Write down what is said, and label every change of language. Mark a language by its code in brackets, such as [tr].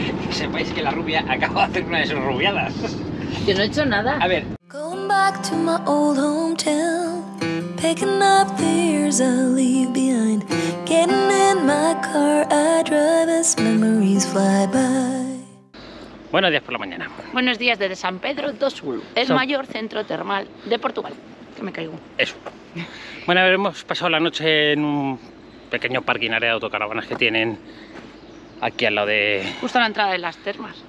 [es] sepáis que la rubia acaba de hacer una de sus rubiadas. Yo no he hecho nada. A ver. [en] Going back to my old hometown, picking up the years I leave behind, getting in my car, I drive as memories fly by. [es] Buenos días por la mañana. Buenos días desde San Pedro do Sul, el mayor centro termal de Portugal. Que me caigo. Eso. Bueno, a ver, hemos pasado la noche en un pequeño parking área de autocaravanas que tienen aquí al lado de... Justo a la entrada de las termas.